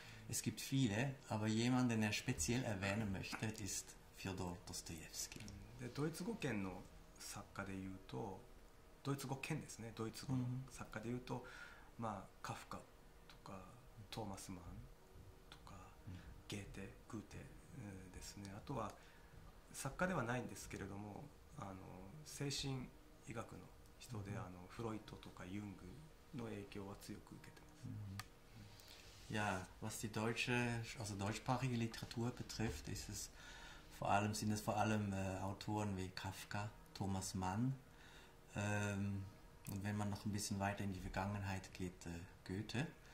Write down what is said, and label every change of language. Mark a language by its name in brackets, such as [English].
[German] Es gibt viele, aber jemand, den er speziell erwähnen möchte, ist Fjodor Dostoevsky. [Japanese] De, Doitsugo-ken no sakka de iu to, Doitsugo-ken desu ne, Doitsugo no sakka de iu to, まあ、カフカとかトーマス・マンとか、ゲーテ、グーテですね。あとは作家ではないんですけれども、あの精神医学の人で、あのフロイトとかユングの影響は強く受けてます。 [German] Ja, was die deutsche, also deutschsprachige Literatur betrifft, ist es vor allem, sind es vor allem Autoren wie Kafka, Thomas Mann. Und wenn man noch ein bisschen weiter in die Vergangenheit geht, Goethe.